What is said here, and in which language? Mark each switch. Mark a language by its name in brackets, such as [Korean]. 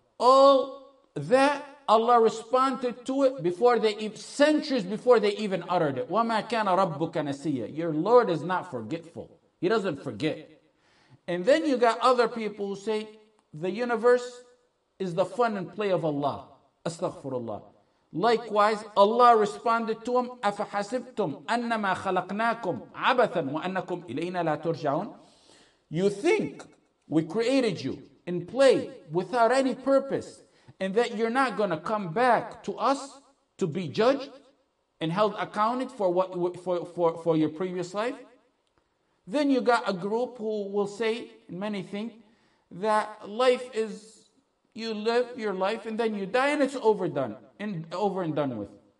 [English] All that, Allah responded to it centuries before they even uttered it. [Arabic] وَمَا كَانَ رَبُّكَ نَسِيَّ. [English] Your Lord is not forgetful. He doesn't forget. And then you got other people who say, the universe is the fun and play of Allah. Astaghfirullah. Likewise, Allah responded to him, [Arabic] أَفَحَسِبْتُمْ أَنَّمَا خَلَقْنَاكُمْ عَبَثًا وَأَنَّكُمْ إِلَيْنَا لَا تُرْجَعُونَ. [English] You think we created you in play without any purpose, and that you're not going to come back to us to be judged and held accounted for your previous life? Then you got a group who will say, and many think, that life is, you live your life and then you die and it's over and done with.